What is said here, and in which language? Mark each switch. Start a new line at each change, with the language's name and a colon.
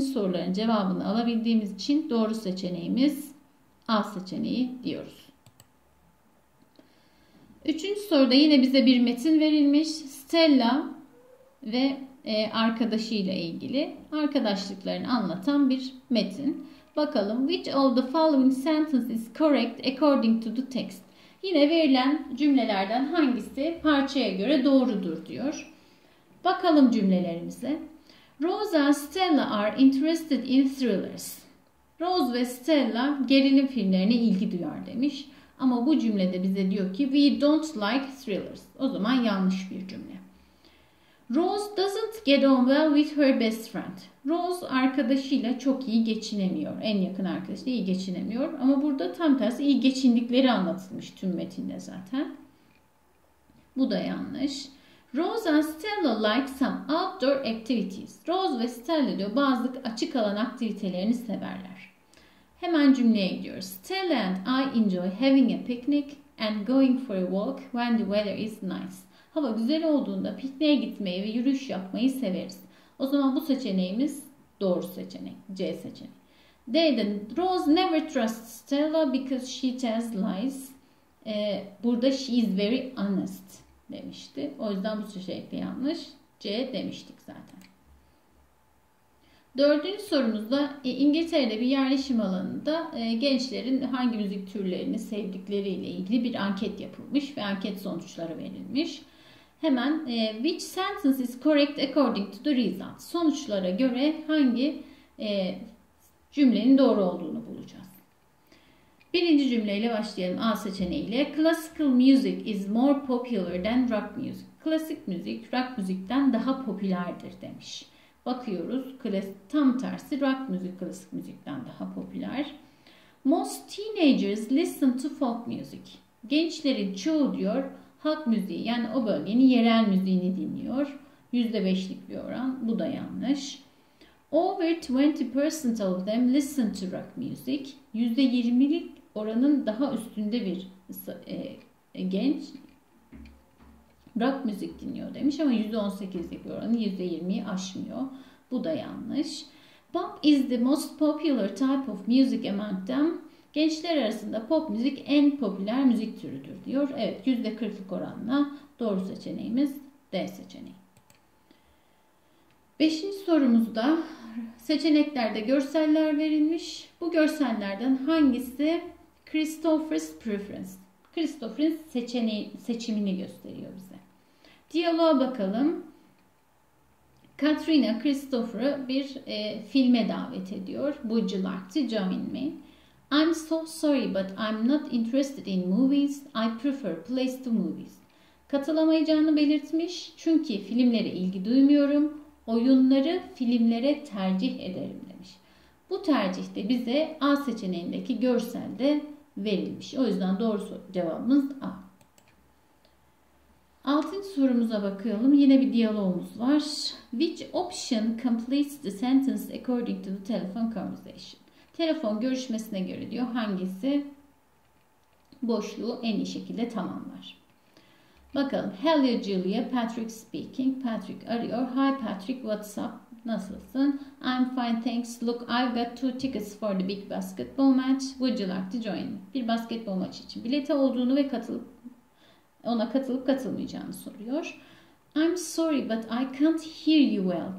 Turkish: soruların cevabını alabildiğimiz için doğru seçeneğimiz A seçeneği diyoruz. Üçüncü soruda yine bize bir metin verilmiş. Stella ve arkadaşıyla ilgili arkadaşlıklarını anlatan bir metin. Bakalım
English: which of the following sentences is correct according to the text?
Turkish: Yine verilen cümlelerden hangisi parçaya göre doğrudur diyor. Bakalım cümlelerimize.
English: Rose and Stella are interested in thrillers.
Turkish: Rose ve Stella gerilim filmlerine ilgi duyar demiş. Ama bu cümlede bize diyor ki
English: we don't like thrillers.
Turkish: O zaman yanlış bir cümle.
English: Rose doesn't get on well with her best friend.
Turkish: Rose arkadaşıyla çok iyi geçinemiyor. En yakın arkadaşıyla iyi geçinemiyor. Ama burada tam tersi iyi geçindikleri anlatılmış tüm metinde zaten. Bu da yanlış.
English: Rose and Stella like some outdoor activities.
Turkish: Rose ve Stella diyor bazı açık alan aktivitelerini severler. Hemen cümleye gidiyoruz.
English: Stella and I enjoy having a picnic and going for a walk when the weather is nice.
Turkish: Hava güzel olduğunda pikniğe gitmeyi ve yürüyüş yapmayı severiz. O zaman bu seçeneğimiz doğru seçenek. C seçeneği. D'de
English: Rose never trusts Stella because she tells lies.
Turkish: Burada
English: she is very honest
Turkish: demişti. O yüzden bu seçenek de yanlış. C demiştik zaten. Dördüncü sorumuzda İngiltere'de bir yerleşim alanında gençlerin hangi müzik türlerini sevdikleriyle ilgili bir anket yapılmış ve anket sonuçları verilmiş. Hemen
English: which sentence is correct according to the result?
Turkish: Sonuçlara göre hangi cümlenin doğru olduğunu bulacağız. Birinci cümleyle başlayalım A seçeneğiyle.
English: Classical music is more popular than rock music.
Turkish: Klasik müzik rock müzikten daha popülerdir demiş. Bakıyoruz tam tersi rock müzik klasik müzikten daha popüler.
English: Most teenagers listen to folk music.
Turkish: Gençlerin çoğu diyor halk müziği yani o bölgenin yerel müziğini dinliyor. %5'lik bir oran. Bu da yanlış.
English: Over 20% of them listen to rock music.
Turkish: %20'lik oranın daha üstünde bir genç rock müzik dinliyor demiş ama %18'lik bir oranı %20'yi aşmıyor. Bu da yanlış.
English: Pop is the most popular type of music among them.
Turkish: Gençler arasında pop müzik en popüler müzik türüdür diyor. Evet %40'lık oranla doğru seçeneğimiz D seçeneği. Beşinci sorumuzda seçeneklerde görseller verilmiş. Bu görsellerden hangisi Christopher's preference? Christopher'ın seçimini gösteriyor bize. Diyaloğa bakalım. Katrina Christopher'ı bir filme davet ediyor.
English: Would you like to join me? I'm so sorry but I'm not interested in movies. I prefer plays to movies.
Turkish: Katılamayacağını belirtmiş. Çünkü filmlere ilgi duymuyorum. Oyunları filmlere tercih ederim demiş. Bu tercih de bize A seçeneğindeki görselde verilmiş. O yüzden doğru cevabımız A. Altıncı sorumuza bakalım. Yine bir diyalogumuz var.
English: Which option completes the sentence according to the telephone conversation?
Turkish: Telefon görüşmesine göre diyor hangisi boşluğu en iyi şekilde tamamlar. Bakalım.
English: Hello Julia, Patrick speaking.
Turkish: Patrick arıyor.
English: Hi Patrick, what's up?
Turkish: Nasılsın?
English: I'm fine, thanks. Look, I've got two tickets for the big basketball match. Would you like to join?
Turkish: Bir basketbol maçı için bileti olduğunu ve ona katılıp katılmayacağını soruyor.
English: I'm sorry but I can't hear you well.